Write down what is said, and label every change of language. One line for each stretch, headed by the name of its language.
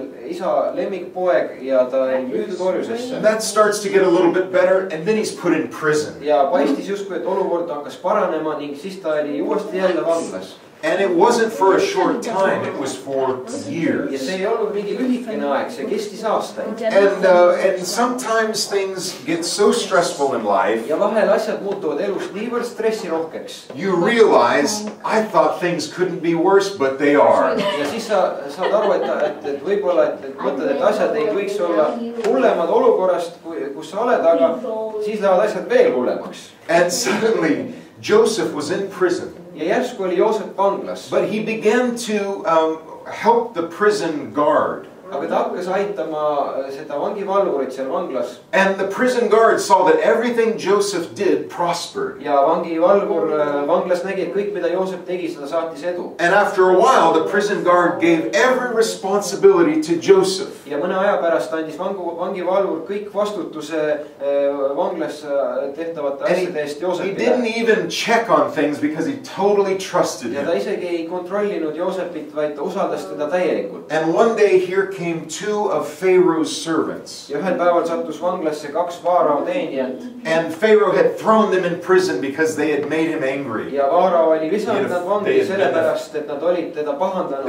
Estonian: Isa lemmikpoeg ja ta on müüdud orjusesse.
English: That starts to get a little bit better and then he's put in prison.
Estonian: Ja paistis justkui, et olukord hakkas paranema ning siis ta oli uuesti jälle vanglas.
English: And it wasn't for a short time, it was for years.
Estonian: Ja see ei olnud mingi lühikene aeg, see kestis aastaid.
English: And sometimes things get so stressful in life.
Estonian: Ja vahel asjad muutuvad elus niivõrd stressirohkeks.
English: You realize, I thought things couldn't be worse, but they are.
Estonian: Ja siis sa saad aru, et võibolla, et mõtled, et asjad ei võiks olla hullemad olukorrast, kus sa oled, aga siis lähevad asjad veel hullemaks.
English: And suddenly, Joseph was in prison.
Estonian: Ja järsku oli Joosep vanglas.
English: But he began to help the prison guard.
Estonian: Aga ta hakkas aitama seda vangivalvurit seal vanglas.
English: And the prison guard saw that everything Joseph did prospered.
Estonian: Ja vangivalvur vanglas nägi, et kõik, mida Joosep tegi, seda saatis edu.
English: And after a while, the prison guard gave every responsibility to Joseph.
Estonian: Ja mõne aja pärast andis vangivalvur kõik vastutuse vanglas tehtavate asjade eest Joosepile.
English: He didn't even check on things because he totally trusted him.
Estonian: Ja ta isegi ei kontrollinud Joosepit, vaid usaldas teda täielikult.
English: And one day here came two of Pharaoh's servants.
Estonian: Ja ühel päeval sattus vanglasse kaks faarao teenijat.
English: And Pharaoh had thrown them in prison because they had made him angry.
Estonian: Ja faarao oli visanud nad vangli sellepärast, et nad olid teda pahandanud.